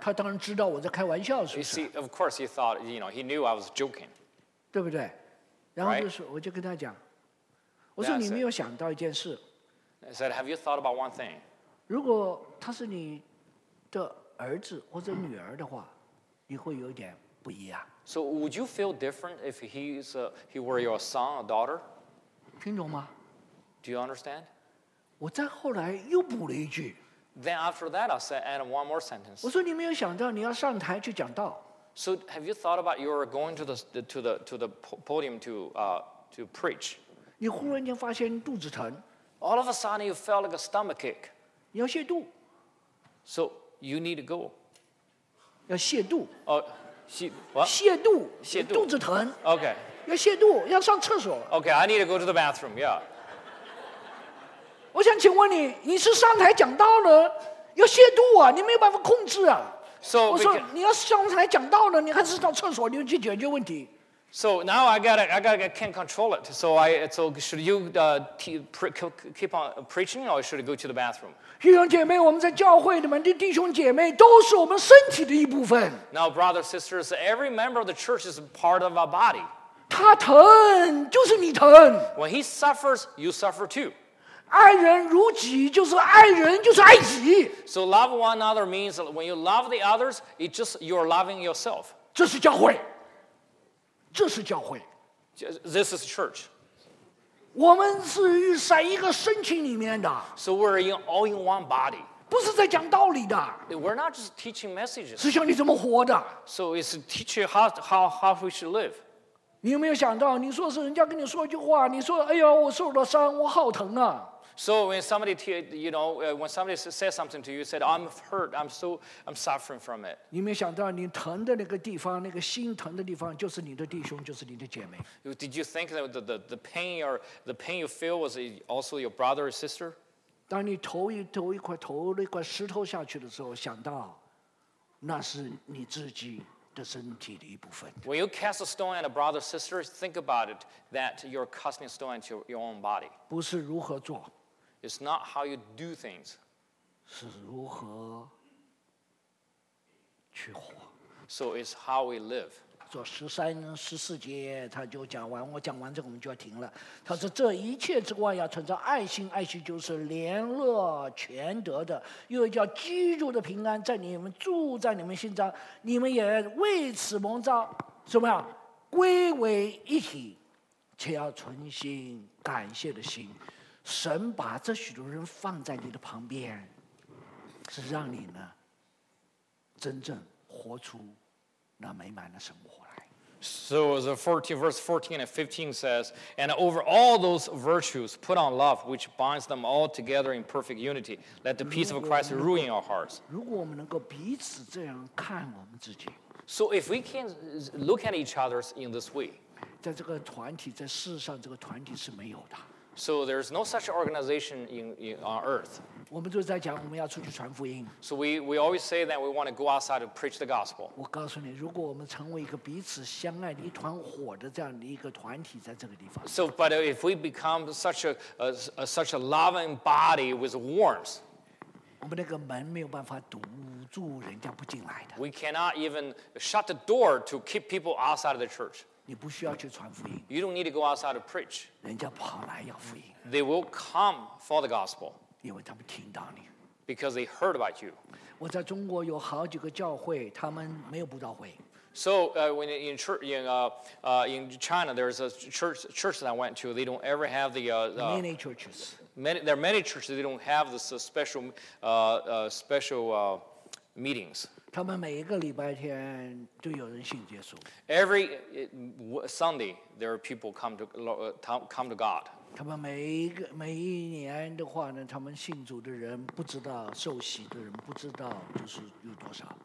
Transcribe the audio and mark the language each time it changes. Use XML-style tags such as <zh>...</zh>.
<zh>他当然知道我在开玩笑，是不是</zh> <en>？Of course, he thought, he knew I was joking.</en> <zh>对不对？然后就是我就跟他讲，我说你没有想到一件事。</zh> <en>I said, have you thought about one thing?</en> <zh>如果他是你的儿子或者女儿的话，你会有点。</zh> <en>So would you feel different if he were your son or daughter?</en> <zh>听懂吗</zh> <en>Do you understand?</en> <zh>我再后来又补了一句</zh> <en>Then after that, I said, add one more sentence.</en> <zh>我说你没有想到你要上台去讲道</zh> <en>So have you thought about you're going to the podium to preach?</en> <zh>你忽然间发现肚子疼</zh> <en>All of a sudden, you felt like a stomach ache.</en> <zh>你要泻肚</zh> <en>So you need to go.</en> <zh>要泻肚</zh> <en>Oh.</en> <zh>泻肚，泻肚，肚子疼。</zh> <en>OK，</en> <zh>要泻肚，要上厕所。</zh> <en>OK， I need to go to the bathroom. Yeah.</en> <zh>我想请问你，你是上台讲道呢，要泻肚啊，你没有办法控制啊。</zh> <en>So</en> <zh>我说你要上台讲道呢，你还是上厕所，你去解决问题。</zh> <en>So now I can't control it. So should you keep on preaching or should I go to the bathroom?</en> <zh>弟兄姐妹，我们在教会里面的弟兄姐妹都是我们身体的一部分。</zh> <en>Now, brothers, sisters, every member of the church is part of our body.</en> <zh>他疼，就是你疼。</zh> <en>When he suffers, you suffer too.</en> <zh>爱人如己，就是爱人，就是爱己。</zh> <en>So love one another means when you love the others, it's just you're loving yourself.</en> <zh>这是教会。这是教会</zh> <en>This is church.</en> <zh>我们是在一个身体里面的</zh> <en>So we're all in one body.</en> <zh>不是在讲道理的</zh> <en>We're not just teaching messages.</en> <zh>是教你怎么活的</zh> <en>So it's teaching how we should live.</en> <zh>你有没有想到，你说是人家跟你说一句话，你说哎呀我受了伤，我好疼啊。</zh> <en>So when somebody, you know, when somebody says something to you, said, I'm hurt, I'm suffering from it.</en> <zh>你没想到你疼的那个地方，那个心疼的地方，就是你的弟兄，就是你的姐妹。</zh> <en>Did you think that the pain or the pain you feel was also your brother or sister?</en> <zh>当你投一块石头下去的时候，想到那是你自己的身体的一部分。</zh> <en>When you cast a stone at a brother or sister, think about it, that you're casting a stone at your own body.</en> <zh>不是如何做。</zh> <en>It's not how you do things.</en> <zh>是如何去活。</zh> <en>So it's how we live.</en> <zh>做十三、十四节，他就讲完。我讲完这个，我们就要停了。他说：“这一切之外，要存着爱心，爱心就是联络全德的，又叫基督的平安在你们住在你们心中，你们也为此蒙召，怎么样？归为一体，且要存心感谢的心。” 神把这许多人放在你的旁边，是让你呢真正活出那美满的生活来。</zh> <en>So the 14, verse 14 and 15 says, And over all those virtues, put on love, which binds them all together in perfect unity. Let the peace of Christ rule in our hearts.</en> <zh>如果我们能够彼此这样看我们自己。</zh> <en>So if we can look at each other in this way,</en> <zh>在这个团体，在世上这个团体是没有的。</zh> <en>So there's no such organization in on earth.</en> <zh>我们就在讲我们要出去传福音。</zh> <en>So we always say that we want to go outside to preach the gospel.</en> <zh>我告诉你，如果我们成为一个彼此相爱的一团火的这样的一个团体，在这个地方。</zh> <en>So but if we become such a loving body with warmth,</en> <zh>我们那个门没有办法堵住人家不进来的。</zh> <en>We cannot even shut the door to keep people outside of the church.</en> <zh>你不需要去传福音。</zh> <en>You don't need to go outside to preach.</en> <zh>人家跑来要福音。</zh> <en>They will come for the gospel.</en> <zh>因为他们听到你。</zh> <en>Because they heard about you.</en> <zh>我在中国有好几个教会，他们没有布道会。</zh> <en>So when in church in China, there's a church that I went to. They don't ever have the many churches. Many there are many churches. They don't have this special meetings.</en> <zh>他们每一个礼拜天都有人信耶稣。</zh> <en>Every Sunday, there are people come to God.</en> <zh>他们每一年的话呢，他们信主的人不知道，受洗的人不知道，就是有多少。</zh>